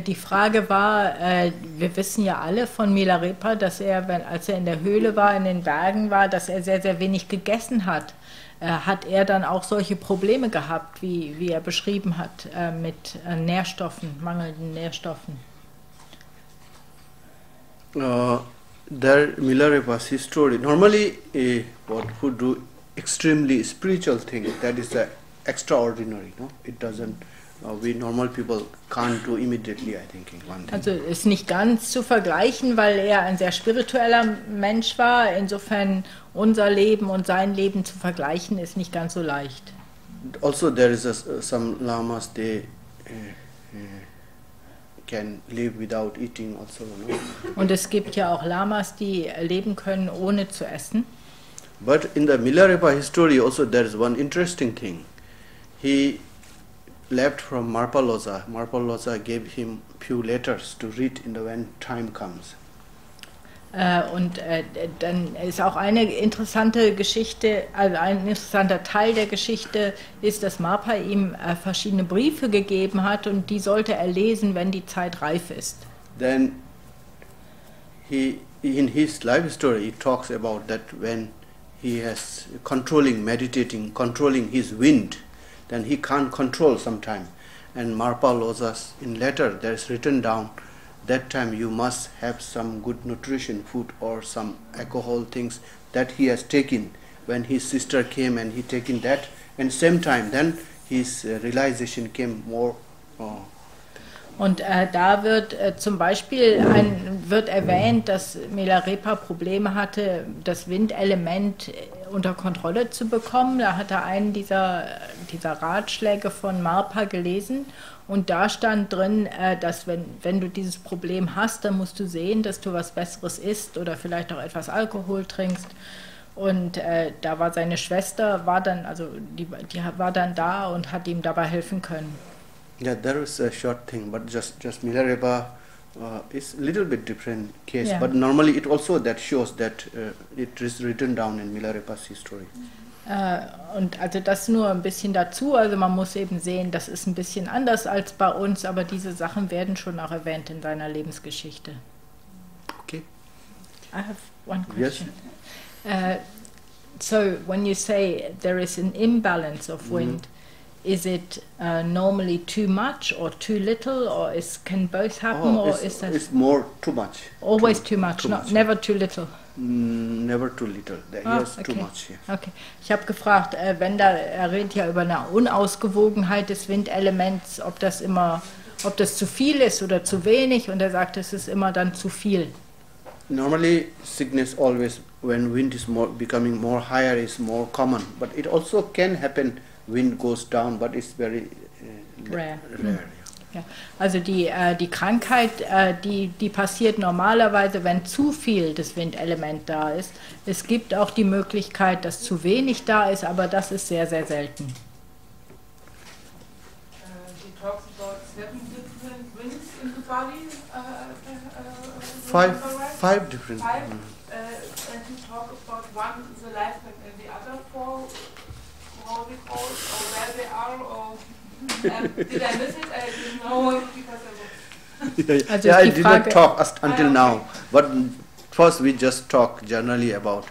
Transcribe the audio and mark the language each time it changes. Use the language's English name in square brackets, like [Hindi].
[German] Die Frage war, wir wissen ja alle von Milarepa, dass er, als er in der Höhle war, in den Bergen war, dass er sehr, sehr wenig gegessen hat. Hat er dann auch solche Probleme gehabt, wie er beschrieben hat, mit Nährstoffen, mangelnden Nährstoffen? [English] Der Milarepa's history, normally what would do extremely spiritual thing, that is extraordinary, no? It doesn't We normal people can't do immediately, I think, in one day. [German] Also ist nicht ganz zu vergleichen, weil er ein sehr spiritueller Mensch war. Insofern unser Leben und sein Leben zu vergleichen ist nicht ganz so leicht. [English] Also there is a, some lamas they can live without eating also. No? [German] Und es gibt ja auch Lamas, die leben können ohne zu essen. [English] But in the Milarepa history also there is one interesting thing. He left from Marpaloza. Marpaloza gave him few letters to read in the when time comes. [German] Dann ist auch eine interessante Geschichte, also ein interessanter Teil der Geschichte ist, dass Marpa ihm verschiedene Briefe gegeben hat und die sollte er lesen, wenn die Zeit reif ist. [English] Then he in his life story he talks about that when he has controlling, meditating, controlling his wind. Then he can't control sometime. And Marpa Loza's in letter there is written down that time you must have some good nutrition food or some alcohol things that he has taken when his sister came and he taken that and same time then his realization came more. [German] Und da wird zum Beispiel wird erwähnt, dass Milarepa Probleme hatte, das Windelement unter Kontrolle zu bekommen. Da hat er einen dieser Ratschläge von Marpa gelesen und da stand drin, dass wenn du dieses Problem hast, dann musst du sehen, dass du was Besseres isst oder vielleicht auch etwas Alkohol trinkst. Und da war seine Schwester, die war dann da und hat ihm dabei helfen können. [English] Yeah, there is a short thing, but just Milarepa is a little bit different case. Yeah. But normally it also that shows that it is written down in Milarepa's history. [German] Und also das nur ein bisschen dazu, also man muss eben sehen, das ist ein bisschen anders als bei uns, aber diese Sachen werden schon auch erwähnt in seiner Lebensgeschichte. Okay. [English] I have one question. Yes. So when you say there is an imbalance of wind, mm-hmm. Is it normally too much or too little, or is can both happen, or is that? It's more too much. Always too much, too not much. Never too little. Never too little. Yes, okay. Too much. Yes. Okay. [German] Ich habe gefragt, wenn da er redet ja über eine Unausgewogenheit des Windelements, ob das zu viel ist oder zu wenig, und er sagt, es ist immer dann zu viel. [English] Normally, sickness always when wind is more becoming more higher is more common, but it also can happen. Wind goes down, but it's very rare. Ja. [German] Also die Krankheit, die passiert normalerweise, wenn zu viel des Windelement da ist. Es gibt auch die Möglichkeit, dass zu wenig da ist, aber das ist sehr, sehr selten. [English] He talks about seven different winds in the body. Five different. Five. And he talks about one in the life and the other four. Also yeah, I did not talk until now, but first we just talk generally about,